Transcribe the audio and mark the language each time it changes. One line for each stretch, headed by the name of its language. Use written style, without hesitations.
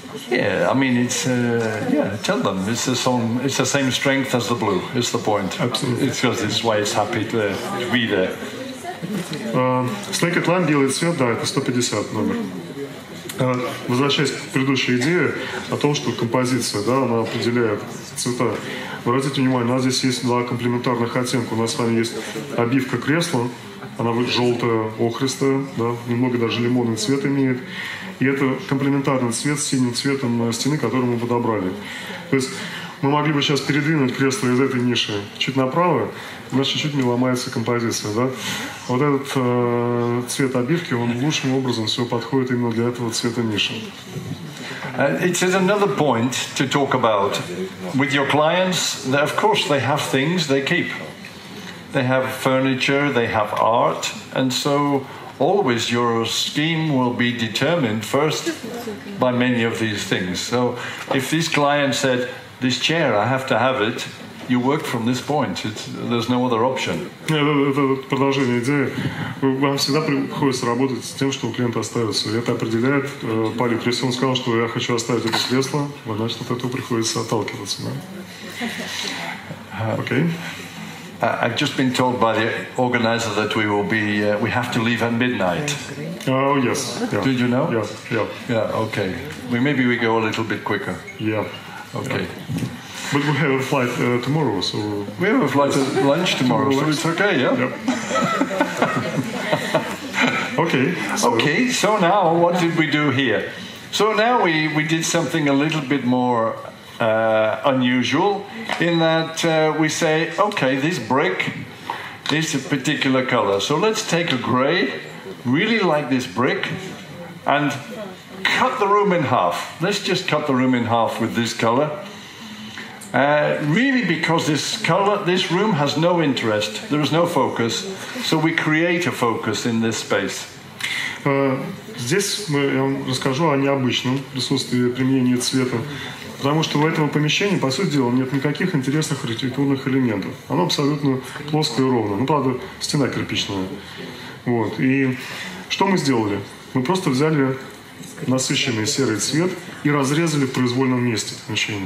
English: Yeah, I mean, it's, yeah, tell them, it's the same strength as the blue, is the point. Absolutely. It's because it's why it's happy to be there.
Russian: Snake Atlant, белый цвет, да, это 150 номер. Возвращаясь к предыдущей идее о том, что композиция, да, она определяет цвета. Обратите внимание, у нас здесь есть два комплементарных оттенка. У нас с вами есть обивка кресла, она желтая, охристая, да, немного даже лимонный цвет имеет. И это комплементарный цвет с синим цветом стены, который мы подобрали. То есть мы могли бы сейчас передвинуть кресло из этой ниши чуть направо, значит, чуть-чуть не ломается композиция, да? Вот этот цвет обивки, он лучшим образом всего подходит именно для этого цвета ниши.
English: It's another point to talk about. With your clients, of course, they have things they keep. They have furniture, they have art, and so always your scheme will be determined first by many of these things. So if this client said, this chair, I have to have it, you work from this point. There's no other option.
Russian: Это продолжение идеи. Вам всегда приходится работать с тем, что у клиента остается. Это определяет палитру. Если он сказал, что я хочу оставить это кресло, значит, от этого приходится отталкиваться. Окей.
English: I've just been told by the organizer that we will be, we have to leave at midnight. Oh, yes. Yeah. Did you know? Yeah. Okay. Maybe we go a little bit quicker. Yeah. Okay. Yeah. But we have a flight tomorrow, so... We have a flight at lunch tomorrow, so it's okay, yeah? Yep. Okay. So. Okay, so now what did we do here? So now we did something a little bit more unusual, in that we say, okay, this brick is a particular color. So let's take a gray, really like this brick, and cut the room in half. Let's just cut the room in half with this color. Really because this color, this room has no interest. There is no focus. So we create a focus in this space.
Russian: Здесь я вам расскажу о необычном присутствии применения цвета, потому что в этом помещении, по сути дела, нет никаких интересных архитектурных элементов. Оно абсолютно плоское и ровное. Ну, правда, стена кирпичная. Вот. И что мы сделали? Мы просто взяли насыщенный серый цвет и разрезали в произвольном месте помещение.